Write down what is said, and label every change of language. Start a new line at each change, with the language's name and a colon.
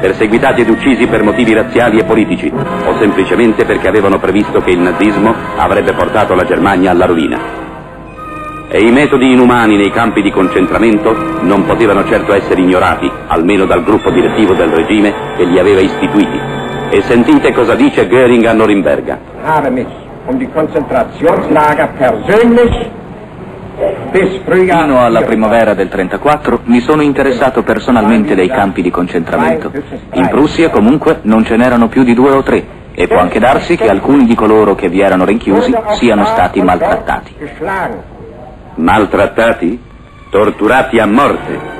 Italian: Perseguitati ed uccisi per motivi razziali e politici, o semplicemente perché avevano previsto che il nazismo avrebbe portato la Germania alla rovina. E i metodi inumani nei campi di concentramento non potevano certo essere ignorati, almeno dal gruppo direttivo del regime che li aveva istituiti. E sentite cosa dice Göring a Norimberga.
German: Habe mich um die Konzentrationslager persönlich.
Italian: Fino alla primavera del 34 mi sono interessato personalmente dei campi di concentramento. In Prussia comunque non ce n'erano più di due o tre e può anche darsi che alcuni di coloro che vi erano rinchiusi siano stati maltrattati. Maltrattati? Torturati a morte?